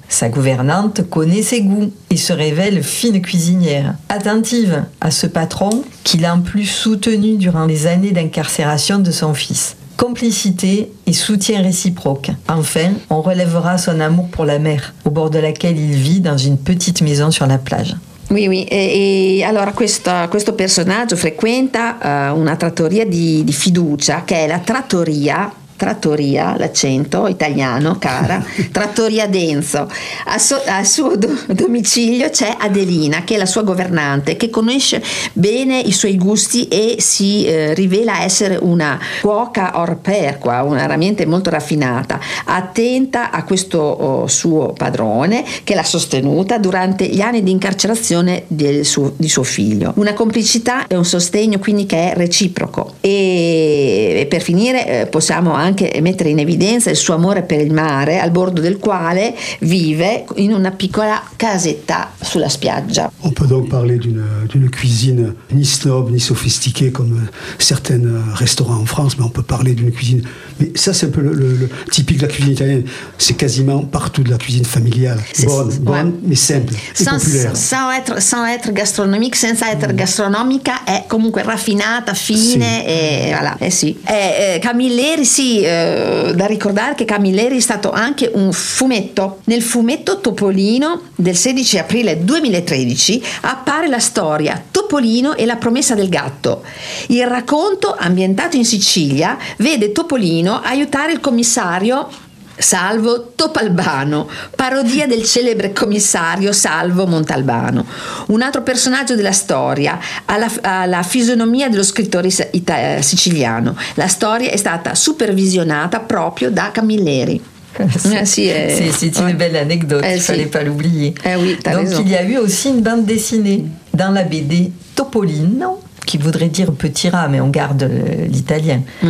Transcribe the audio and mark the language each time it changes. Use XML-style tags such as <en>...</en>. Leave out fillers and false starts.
<fr>Sa gouvernante connaît ses goûts et se révèle fine cuisinière. Attentive à ce patron qu'il a en plus soutenu durant les années d'incarcération de son fils. Complicité et soutien réciproque. Enfin, on relèvera son amour pour la mer, au bord de laquelle il vit dans une petite maison sur la plage. Oui, oui.</fr> <it>E allora questo personaggio frequenta una trattoria di fiducia, che è la trattoria, l'accento italiano, cara, Trattoria Denso. Al suo domicilio c'è Adelina, che è la sua governante, che conosce bene i suoi gusti e si rivela essere una cuoca</it> <fr>hors pair,</fr> <it>una veramente molto raffinata, attenta a questo suo padrone, che l'ha sostenuta durante gli anni di incarcerazione di suo figlio. Una complicità e un sostegno quindi che è reciproco. E per finire possiamo anche mettere in evidenza il suo amore per il mare, al bordo del quale vive in una piccola casetta sulla spiaggia.</it> <fr>On peut donc parler d'une cuisine ni snob ni sophistiquée comme certains restaurants en France, mais on peut parler d'une cuisine. Mais ça, c'est un peu le typique de la cuisine italienne. C'est quasiment partout de la cuisine familiale. Bonne, ouais. Mais simple. Sans, et populaire. Sans être gastronomique, sans être</fr> <it>gastronomica, è comunque raffinata, fine, sì. E</it> <fr>voilà.</fr> <it>Camilleri, sì. Da ricordare che Camilleri è stato anche un fumetto. Nel fumetto Topolino del 16 aprile 2013 appare la storia Topolino e la promessa del gatto. Il racconto, ambientato in Sicilia, vede Topolino aiutare il commissario Salvo Topalbano, parodia del celebre commissario Salvo Montalbano, un altro personaggio della storia, alla fisionomia dello scrittore siciliano. La storia è stata supervisionata proprio da Camilleri.</it> <fr>C'est une belle anecdote, il fallait pas l'oublier. Donc il y a eu aussi une bande dessinée dans la BD Topolino, qui voudrait dire petit rat, mais on garde l'italien.</fr>